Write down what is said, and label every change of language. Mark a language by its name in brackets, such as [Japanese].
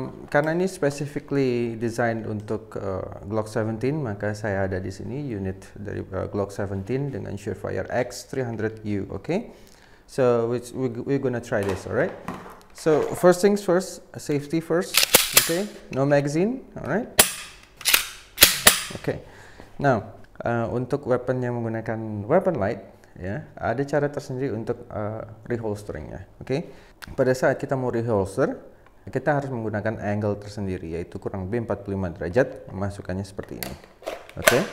[Indonesian] Karena ini specifically designed untuk Glock 17, maka saya ada di sini unit dari Glock 17 dengan Surefire X300U. [English] Okay, so we're gonna try this, alright? So first things first, safety first. Okay, no magazine, alright? [Indonesian] Okay, now untuk weapon yang menggunakan weapon light, ya, ada cara tersendiri untuk reholsteringnya. Okay, pada saat kita mau reholster, kita harus menggunakan angle tersendiri, yaitu kurang lebih 45 derajat, memasukkannya seperti ini. Oke, okay.